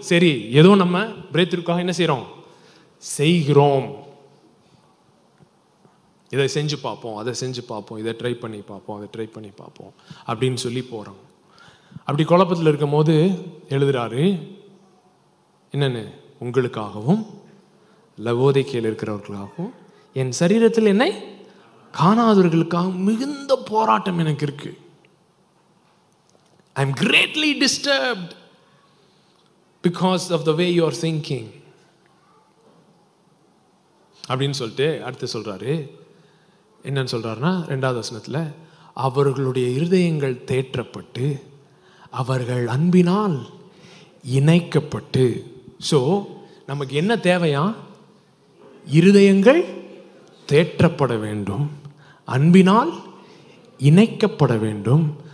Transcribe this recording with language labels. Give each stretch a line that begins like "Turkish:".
Tamil: சரி, ஏதோ நம்ம பிரேத்திற்காக என்ன செய்கிறோம், செய்கிறோம், இதை செஞ்சு பார்ப்போம், அதை செஞ்சு பார்ப்போம், இதை ட்ரை பண்ணி பார்ப்போம், அதை ட்ரை பண்ணி பார்ப்போம் அப்படின்னு சொல்லி போகிறோம். அப்படி குழப்பத்தில் இருக்கும் போது எழுதுகிறாரு என்னென்னு, உங்களுக்காகவும் லவோதைக்கையில் இருக்கிறவர்களாகவும் என் சரீரத்தில் என்னை காணாதவர்களுக்காக மிகுந்த போராட்டம் எனக்கு இருக்கு.
English: I am greatly disturbed because of the way you are thinking.
Tamil: அப்படின்னு சொல்லிட்டு அடுத்து சொல்கிறாரு என்னன்னு சொல்கிறாருன்னா, ரெண்டாவது வசனத்தில், அவர்களுடைய இருதயங்கள் தேற்றப்பட்டு அவர்கள் அன்பினால் இணைக்கப்பட்டு. ஸோ நமக்கு என்ன தேவையா, இருதயங்கள் தேற்றப்பட வேண்டும், அன்பினால் இணைக்கப்பட வேண்டும்.